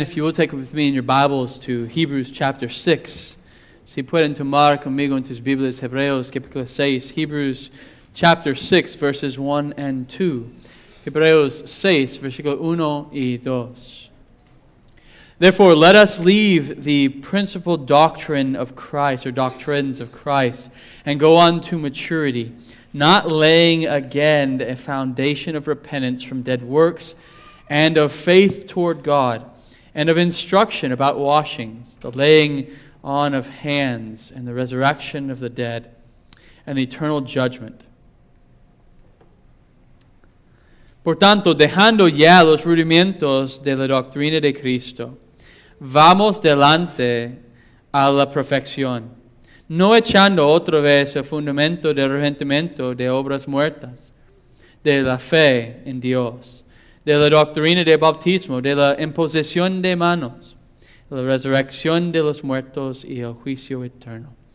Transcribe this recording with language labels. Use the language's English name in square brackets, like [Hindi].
[English] If you will take with me in your Bibles to Hebrews chapter 6. [Spanish] Si pueden tomar conmigo en tus Biblias, Hebreos capítulo 6. [English] Hebrews chapter 6, verses 1 and 2. [Spanish] Hebreos 6, versículos 1 y 2. [English] Therefore, let us leave the principal doctrine of Christ, or doctrines of Christ, and go on to maturity, not laying again a foundation of repentance from dead works, and of faith toward God, and of instruction about washings, the laying on of hands, and the resurrection of the dead, and the eternal judgment. [Spanish] Por tanto, dejando ya los rudimentos de la doctrina de Cristo, vamos delante a la perfección, no echando otra vez el fundamento del arrepentimiento de obras muertas, de la fe en Dios, de la doctrina de bautismo, de la imposición de manos, de la resurrección de los muertos y el juicio eterno.